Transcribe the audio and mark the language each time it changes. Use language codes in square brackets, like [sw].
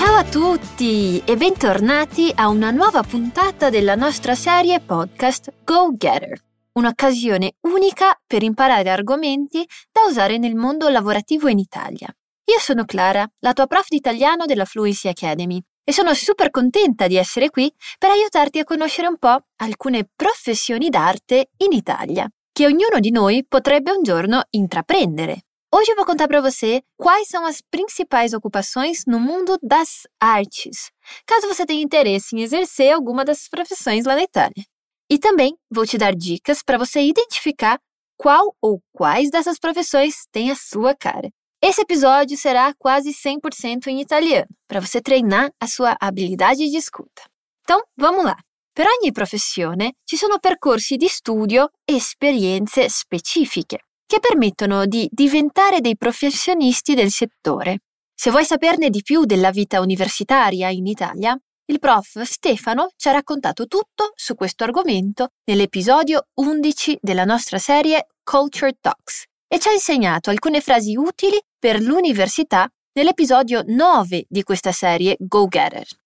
[it] tutti e bentornati a una nuova puntata della nostra serie podcast Go Getter, un'occasione unica per imparare argomenti da usare nel mondo lavorativo in Italia. Io sono Clara, la tua prof di italiano della Fluency Academy, e sono super contenta di essere qui per aiutarti a conoscere un po' alcune professioni d'arte in Italia che ognuno di noi potrebbe un giorno intraprendere. [pt] Oggi vou contar para você quais são as principais ocupações no mundo das artes, caso você tenha interesse em exercer alguma dessas profissões lá na Itália. E também vou te dar dicas para você identificar qual ou quais dessas profissões tem a sua cara. Esse episódio será quase 100% em italiano, para você treinar a sua habilidade de escuta. Então, vamos lá! [it] Per ogni professione ci sono percorsi di studio e esperienze specifiche che permettono di diventare dei professionisti del settore. Se vuoi saperne di più della vita universitaria in Italia, il prof Stefano ci ha raccontato tutto su questo argomento nell'episodio 11 della nostra serie Culture Talks e ci ha insegnato alcune frasi utili per l'università nell'episodio 9 di questa serie Go Getter.